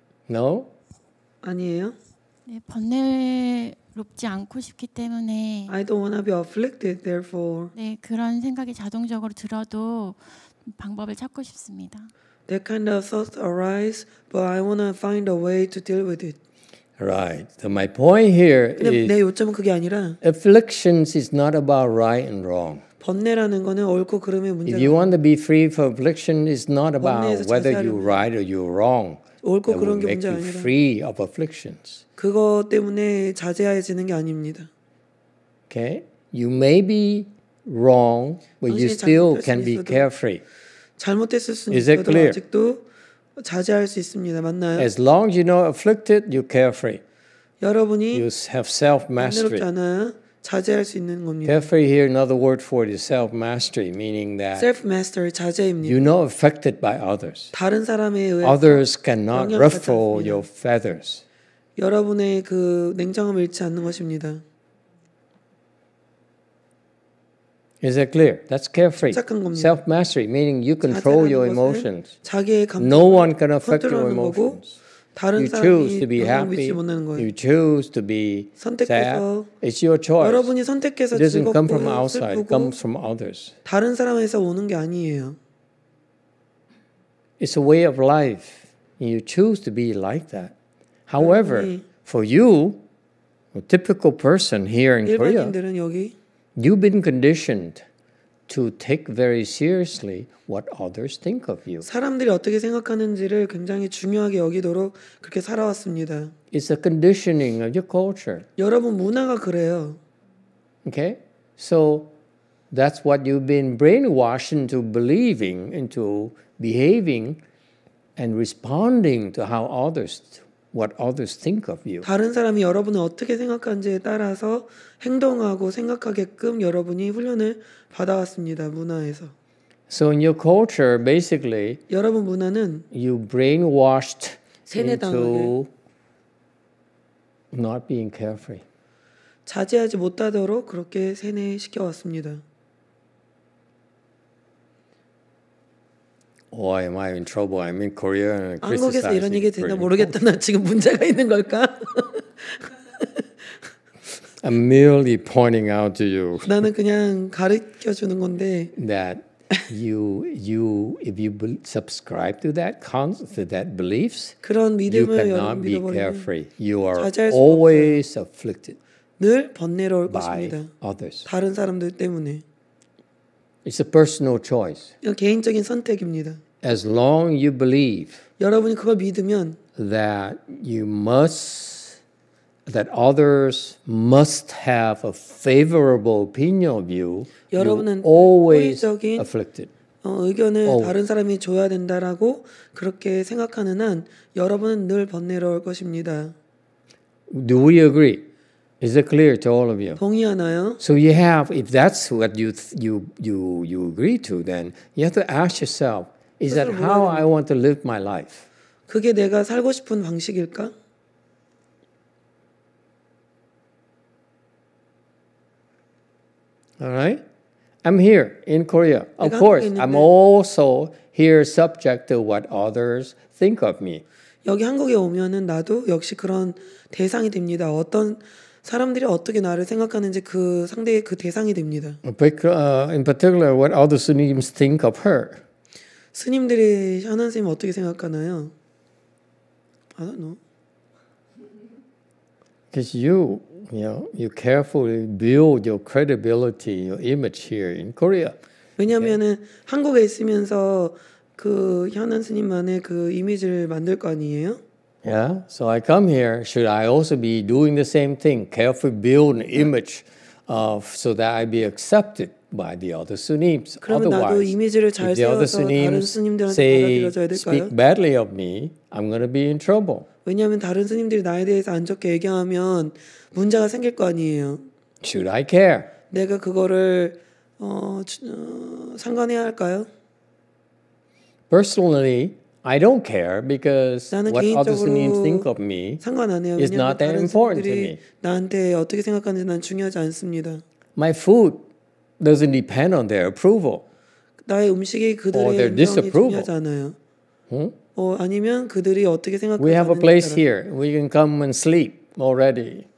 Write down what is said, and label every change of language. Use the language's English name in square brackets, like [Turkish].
[English] No? [Korean] 아니에요? 네, 번뇌롭지 않고 싶기 때문에 [English] I don't want to be afflicted, therefore [Korean] 네, 그런 생각이 자동적으로 들어도 방법을 찾고 싶습니다. [English] That kind of thoughts arise, but I want to find a way to deal with it. Right. So my point here is [Korean] 내 요점은 그게 아니라 [English] afflictions is not about right and wrong. [Korean] 번뇌라는 거는 옳고 그름의 문제. [English] If you want to be free from affliction, it's not about whether you're right or you're wrong. [Korean] 옳고 그런 게 문제 아니라. [English] Make you free of afflictions. [Korean] 그거 때문에 자제해지는 게 아닙니다. [English] Okay, you may be wrong, but you still can be carefree. [Korean] 잘못했을 수 있어도 아직도 자제할 수 있습니다. 맞나요? [English] As long as you know afflicted, you're carefree. [Korean] 여러분이 [English] you have self-mastery. [Korean] 자제할 수 있는 겁니다. [English] Carefree here, another word for it is self-mastery, meaning that self-mastery, [Korean] 자제입니다. [English] You're not affected by others. [Korean] 다른 사람에 의해 [English] others cannot ruffle your feathers. [Korean] 여러분의 그 냉정함 잃지 않는 것입니다. [English] Is that clear? That's carefree. [Korean] 침착한 겁니다. [English] Self-mastery, meaning you control your emotions. [Korean] 자기의 감정. [English] No one can affect your emotions. [Korean] 다른 [English] you [Korean] 사람이 [English] choose to be happy. You choose to be [Korean] 선택해서, [English] sad. It's your choice. [Korean] 여러분이 선택해서 [English] it doesn't come from outside, [Korean] 슬프고 [English] comes from others. [Korean] 다른 사람에서 오는 게 아니에요. [English] It's a way of life. You choose to be like that. However, [Korean] 여러분이, [English] for you, typical person here in Korea, [Korean] 여기, [English] you've been conditioned to take very seriously what others think of you. [Korean] 사람들이 어떻게 생각하는지를 굉장히 중요하게 여기도록 그렇게 살아왔습니다. [English] It's a conditioning of your culture. [Korean] 여러분 문화가 그래요. [English] Okay? So that's what you've been brainwashed into believing, into behaving and responding to how others what others think of you. [Korean] 다른 사람이 여러분을 어떻게 생각하는지에 따라서 행동하고 생각하게끔 여러분이 훈련을 받아왔습니다. 문화에서. [English] So in your culture basically [Korean] 여러분 문화는 [English] you brainwashed into not being carefree. [Korean] 자제하지 못하도록 그렇게 세뇌시켜 왔습니다. [English] Oh, am I in trouble? I'm in Korea and criticizing. [Korean] 한국에서 이런 얘기 되나 모르겠다. 나 지금 문제가 있는 걸까? [English] I'm merely pointing out to you. [Korean] 나는 그냥 가르쳐 주는 건데. [English] That you if you subscribe to that concept, to that beliefs, [Korean] 그런 믿음을 [English] you cannot be carefree. You are always afflicted. [Korean] 늘 번뇌로울 것입니다. [English] By others. [Korean] 다른 사람들 때문에. [English] It's a personal choice. [Korean] 개인적인 선택입니다. [English] As long you believe [Korean] 여러분이 그걸 믿으면 [English] that you must that others must have a favorable opinion of you [Korean] 여러분은 [English] always [Korean] 호의적인 [English] afflicted. [Korean] 의견을 [English] always. [Korean] 다른 사람이 줘야 된다라고 그렇게 생각하는 한 여러분은 늘 번뇌로울 것입니다. [English] Do we agree? Is it clear to all of you? [Korean] 동의하나요? [English] So you have, if that's what you agree to, then you have to ask yourself, is that how I want to live my life? [Korean] 그게 내가 살고 싶은 방식일까? [English] All right? I'm here in Korea. Of course, I'm also here subject to what others think of me. [Korean] 여기 한국에 오면은 나도 역시 그런 대상이 됩니다. 어떤 사람들이 어떻게 나를 생각하는지 그 상대의 그 대상이 됩니다. [English] In particular, what other Sunnis think of her? [Korean] 스님들이 현한 선생님 어떻게 생각하나요? [English] I don't know. Because you carefully build your credibility, your image here in Korea. [Korean] 왜냐하면은 okay. 한국에 있으면서 그 현한 스님만의 그 이미지를 만들 거 아니에요? [English] Yeah, so I come here. Should I also be doing the same thing? Carefully build an image of so that I be accepted by the other Sunnis. Otherwise, if the other Sunnis say speak badly of me, I'm gonna be in trouble. [Korean] 왜냐하면 다른 스님들이 나에 대해서 안 좋게 얘기하면 문제가 생길 거 아니에요. [English] Should I care? [Korean] 내가 그거를 상관해야 할까요? [English] Personally. I don't care because what others think of me [Korean] 상관하네요. [English] is not that important to me. [Korean] 나한테 어떻게 생각하는지 난 중요하지 않습니다. [English] My food doesn't depend on their approval. [Korean] 나의 음식이 그들의 [English] or their disapproval. [Korean] 중요하지 않아요. Hmm? 아니면 그들이 어떻게 생각하는지. [English] We have a place here. We can come and sleep already.